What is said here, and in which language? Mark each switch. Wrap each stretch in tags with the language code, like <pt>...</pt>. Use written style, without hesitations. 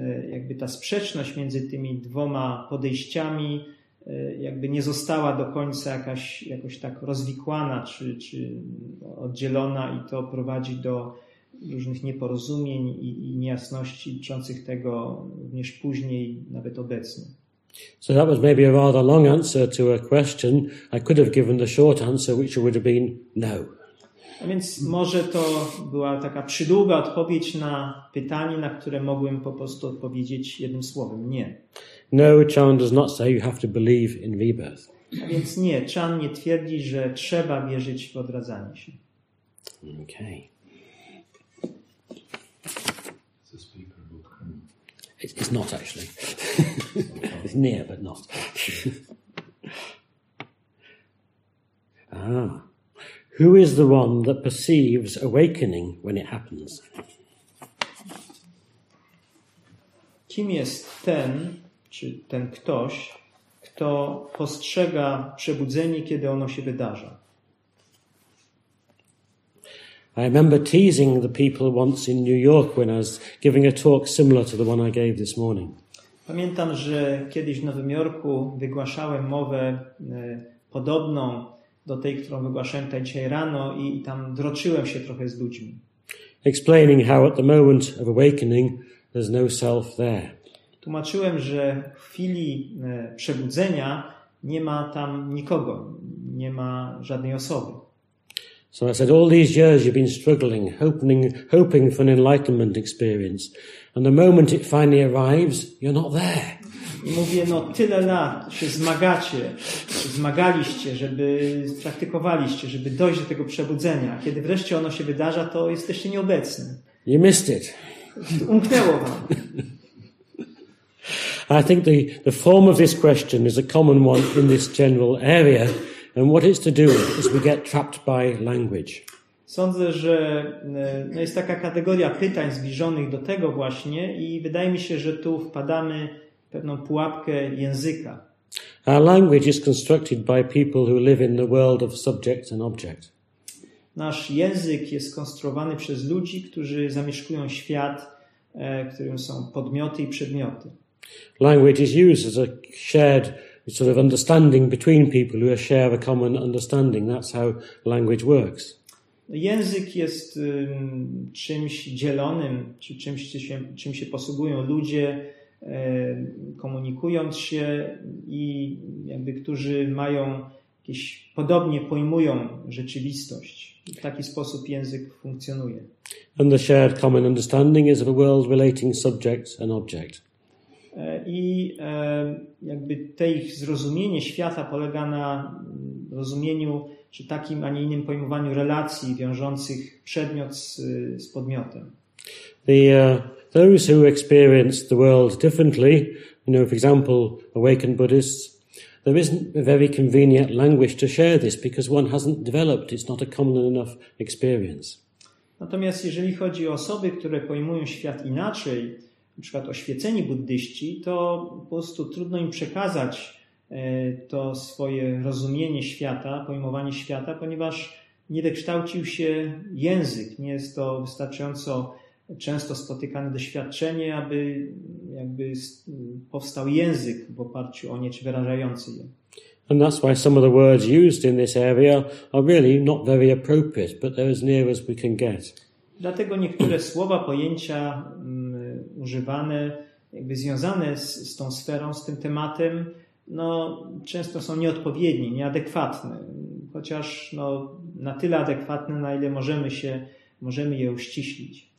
<pl>jakby ta sprzeczność między tymi dwoma podejściami jakby nie została do końca jakoś tak rozwikłana czy oddzielona, i to prowadzi do różnych nieporozumień i niejasności dotyczących tego również później, nawet obecnie.</pl> <en>So that was maybe a rather long answer to a question. I could have given the short answer, which would have been no.</en> <pl>A więc może to była taka przydługa odpowiedź na pytanie, na które mogłem po prostu odpowiedzieć jednym słowem, nie.</pl> <en>No, Chan does not say you have to believe in rebirth.</en> <pl>A więc nie, Chan nie twierdzi, że trzeba wierzyć w odradzanie się.</pl> <en>Okay. It's not actually. It's near, but not. Ah. Who is the one that perceives awakening when it happens?</en> <pl>Kim jest ten, czy ten ktoś, kto postrzega przebudzenie, kiedy ono się wydarza?</pl> <en>I remember teasing the people once in New York when I was giving a talk similar to the one I gave this morning.</en> <pl>Pamiętam, że kiedyś w Nowym Jorku wygłaszałem mowę podobną do tej, którą wygłaszałem tutaj dzisiaj rano, i tam droczyłem się trochę z ludźmi.</pl> <en>Explaining how at the moment of awakening there's no self there.</en> <pl>Tłumaczyłem, że w chwili przebudzenia nie ma tam nikogo, nie ma żadnej osoby.</pl> <en>So I said, all these years you've been struggling, hoping for an enlightenment experience, and the moment it finally arrives, you're not there.</en> <pl>I mówię, no tyle lat się zmagacie, zmagaliście, żeby praktykowaliście, żeby dojść do tego przebudzenia. Kiedy wreszcie ono się wydarza, to jesteście nieobecni.</pl> <en>You missed it.</en> <pl>Umknęło wam.</pl> <en>I think the form of this question is a common one in this general area. And what it's to do is we get trapped by language.</en> <pl>Sądzę, że jest taka kategoria pytań zbliżonych do tego właśnie, i wydaje mi się, że tu wpadamy w pewną pułapkę języka.</pl> <en>Our language is constructed by people who live in the world of subject and object.</en> <pl>Nasz język jest konstruowany przez ludzi, którzy zamieszkują świat, którym są podmioty i przedmioty.</pl> <en>Language is used as a shared sort of understanding between people who share a common understanding. That's how language works.</en> <pl>Język jest czymś dzielonym, czy czym się posługują ludzie, komunikując się, i jakby którzy mają jakieś podobnie pojmują rzeczywistość. W taki sposób język funkcjonuje.</pl> <en>And the shared common understanding is of a world relating subject and object.</en> <pl>I jakby te ich zrozumienie świata polega na rozumieniu, czy takim, a nie innym pojmowaniu relacji wiążących przedmiot z podmiotem.</pl> <en>Those who experience the world differently, you know, for example, awakened Buddhists, There isn't a very convenient language to share this because one hasn't developed, it's not a common enough experience.</en> <pl>Natomiast jeżeli chodzi o osoby, które pojmują świat inaczej, na przykład oświeceni buddyści, to po prostu trudno im przekazać to swoje rozumienie świata, pojmowanie świata, ponieważ nie wykształcił się język, nie jest to wystarczająco często spotykane doświadczenie, aby jakby powstał język w oparciu o nie, czy wyrażający je.</pl> <en>And that's why some of the words used in this area are really not very appropriate, but they're as near as we can get.</en> <pl>Dlatego niektóre słowa, pojęcia używane, jakby związane z tą sferą, z tym tematem, no często są nieodpowiednie, nieadekwatne. Chociaż no, na tyle adekwatne, na ile możemy je uściślić.</pl>